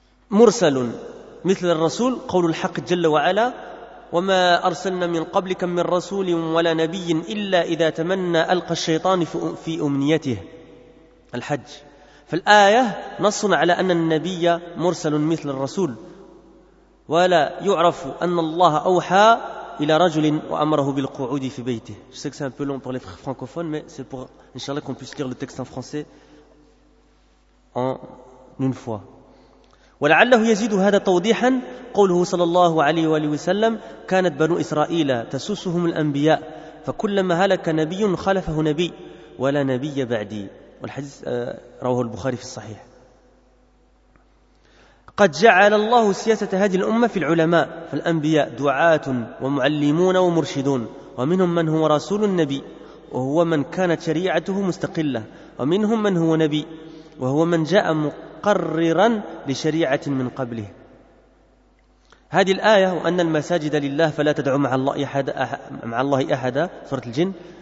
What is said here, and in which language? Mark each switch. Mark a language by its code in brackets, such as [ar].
[ar] مرسل مثل الرسول قول الحق جل وعلا وما أرسلنا من قبلك من رسول ولا نبي إلا إذا تمنى ألقى الشيطان في أمنيته الحج فالآية نص على أن النبي مرسل مثل الرسول ولا يعرف أن الله أوحى إلى رجل وأمره بالقعود في بيته. [fr] Je sais que c'est un peu long pour les francophones, mais c'est pour inchallah qu'on puisse lire le texte en français en une fois. [ar] ولعله يزيد هذا توضيحا قوله صلى الله عليه وآله وسلم كانت بنو إسرائيل تسوسهم الأنبياء فكلما هلك نبي خلفه نبي ولا نبي بعدي. والحديث رواه البخاري في الصحيح قد جعل الله سياسة هذه الأمة في العلماء فالأنبياء دعاة ومعلمون ومرشدون ومنهم من هو رسول النبي وهو من كانت شريعته مستقلة ومنهم من هو نبي وهو من جاء مقررا لشريعة من قبله هذه الآية وأن المساجد لله فلا تدعوا مع الله أحدا سورة الجن